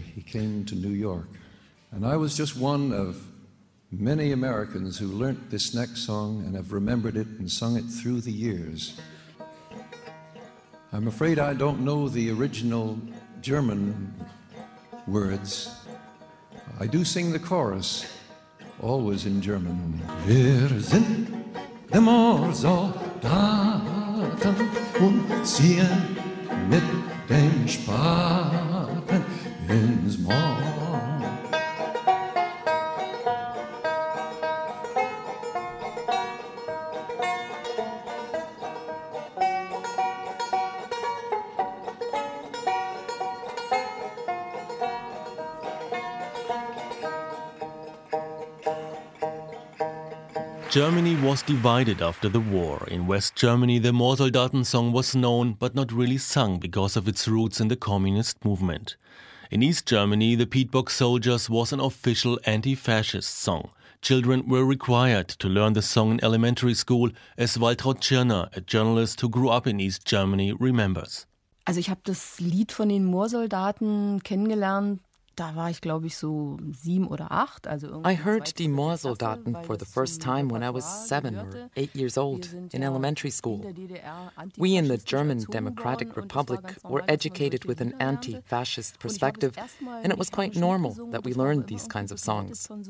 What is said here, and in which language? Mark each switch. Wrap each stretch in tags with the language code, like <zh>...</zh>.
<en>He came to New York. And I was just one of many Americans who learnt this next song and have remembered it and sung it through the years. I'm afraid I don't know the original German words. I do sing the chorus, always in German.</en> <de>Wir sind die Mordsoldaten und ziehen mit dem Spaten ins Moor.</de> <en>Germany was divided after the war. In West Germany, the Mordsoldaten song was known but not really sung because of its roots in the communist movement. In East Germany, the Peat Bog Soldiers was an official anti-fascist song. Children were required to learn the song in elementary school, as Waltraud Tschirner, a journalist who grew up in East Germany, remembers.</en> <de>Also ich habe das Lied von den Mordsoldaten kennengelernt. Da war ich, glaube ich, so 7 oder 8. Also</de> <en>I heard Die Mordsoldaten for the first time when I was 7 or 8 years old in elementary school. We in the German Democratic Republic were educated with an anti-fascist perspective, and it was quite normal that we learned these kinds of songs.</en>